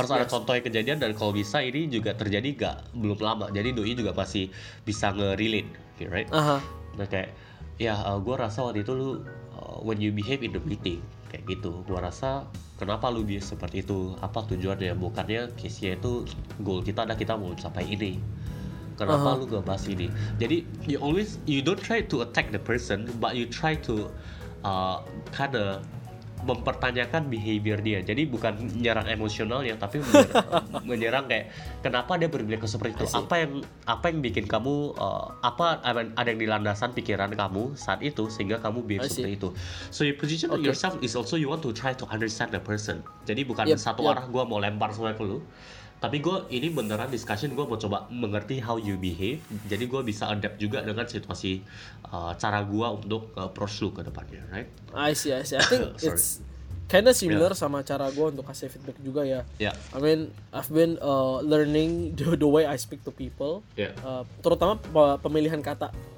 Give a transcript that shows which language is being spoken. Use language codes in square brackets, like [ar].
[id] Harus ada contoh yang kejadian, dan kalau bisa ini juga terjadi belum lama, jadi doi juga masih bisa nge-relate, [en] okay, right? [id] Nah kayak, gue rasa waktu itu lu [en] when you behave in the meeting [id] kayak gitu, gue rasa kenapa lu bisa seperti itu, apa tujuannya, bukannya case-nya itu goal kita adalah kita mau mencapai ini, kenapa lu gak bahas ini? [en] Jadi you always you don't try to attack the person, but you try to kind of [id] mempertanyakan behavior dia. Jadi bukan menyerang emosionalnya, tapi menyerang kayak kenapa dia berperilaku seperti itu? Apa yang bikin kamu ada yang di landasan pikiran kamu saat itu sehingga kamu behave seperti itu? [en] So your position of yourself is also you want to try to understand the person. [id] Jadi bukan satu arah gue mau lempar semuanya ke lu. Tapi gue ini beneran discussion, gue mau coba mengerti [en] how you behave. [id] Jadi gue bisa adapt juga dengan situasi cara gue untuk approach lu ke depannya, right? [en] I see. I think it's kinda similar [id] sama cara gue untuk kasih feedback juga ya. [en] Yeah. I mean, I've been learning the way I speak to people. Yeah. [id] Terutama pemilihan kata.